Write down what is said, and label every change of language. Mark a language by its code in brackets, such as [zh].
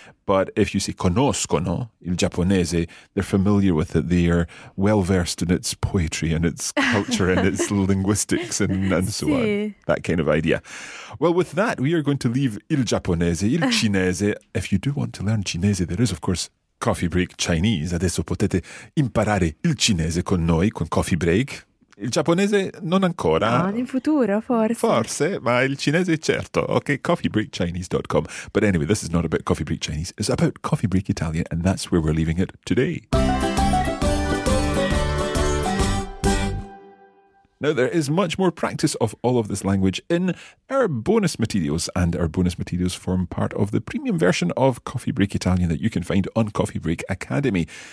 [en] But if you say [it] conoscono il giapponese, [en] they're familiar with it. They are well-versed in its poetry and its culture and its linguistics and so si. On. That kind of idea. Well, with that, we are going to leave [it] il giapponese, il cinese. [en] If you do want to learn cinese, there is, of course, Coffee Break Chinese. [it] Adesso potete imparare il cinese con noi, con Coffee Break. Il giapponese non ancora. No, in futuro, forse. Forse, ma il cinese certo. [en] Okay, coffeebreakchinese.com. But anyway, this is not about Coffee Break Chinese. It's about Coffee Break Italian, and that's where we're leaving it today. Now, there is much more practice of all of this language in our bonus materials, and our bonus materials form part of the premium version of Coffee Break Italian that you can find on Coffee Break Academy.